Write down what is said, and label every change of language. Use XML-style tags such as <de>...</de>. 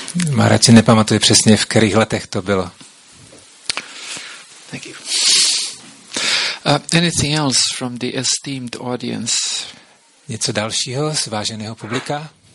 <cs>Maharaj si nepamatuje přesně, v kterých letech to bylo.</cs> <en>Thank you. Anything else from the esteemed audience?</en> <cs>Něco dalšího z váženého publika?</cs>